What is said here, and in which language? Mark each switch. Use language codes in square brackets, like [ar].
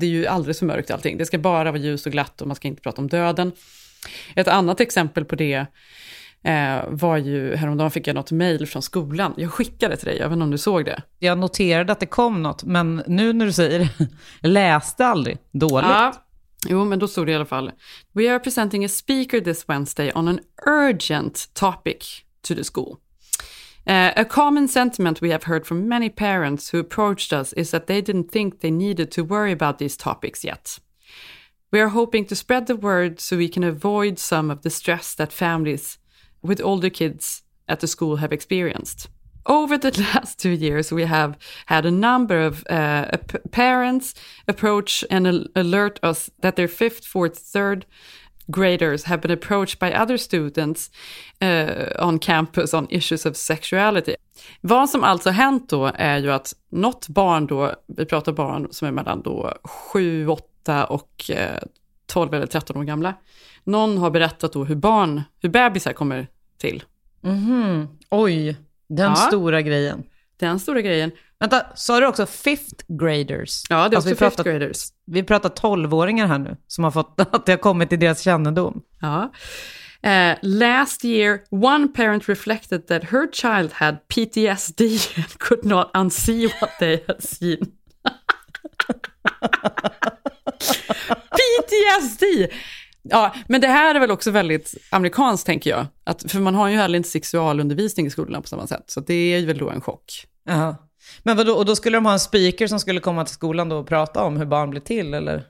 [sv] Det är ju alldeles för mörkt allting. Det ska bara vara ljus och glatt och man ska inte prata om döden. Ett annat exempel på det var ju, häromdagen fick jag något mejl från skolan. Jag skickade till dig, jag vet inte om du såg det. Jag noterade att det kom något, men nu när du säger läste aldrig, dåligt. Ah, jo, men då stod det i alla fall. [en] We are presenting a speaker this Wednesday on an urgent topic to the school. A common sentiment we have heard from many parents who approached us is that they didn't think they needed to worry about these topics yet. We are hoping to spread the word so we can avoid some of the stress that families with older kids at the school have experienced. Over the last 2 years, we have had a number of parents approach and alert us that their fifth, fourth, third graders have been approached by other students on campus on issues of sexuality. [sv] Vad som alltså hänt då är ju att något barn då, vi pratar barn som är mellan då 7, 8 och 12 eller 13 år gamla, någon har berättat då hur bebisar kommer till. Mm-hmm. Oj, den stora grejen. Den stora grejen. Vänta, sa du också fifth graders? Ja, det är också alltså fifth graders. Vi pratar 12-åringar här nu som har fått att det har kommit till deras kännedom. Ja. [en] Last year, one parent reflected that her child had PTSD and could not unsee what they had seen. PTSD! [sv] Ja, men det här är väl också väldigt amerikanskt, tänker jag. Att, för man har ju heller inte sexualundervisning i skolan på samma sätt. Så det är ju väl då en chock. Ja. Men vadå, och då skulle de ha en speaker som skulle komma till skolan då och prata om hur barn blir till, eller?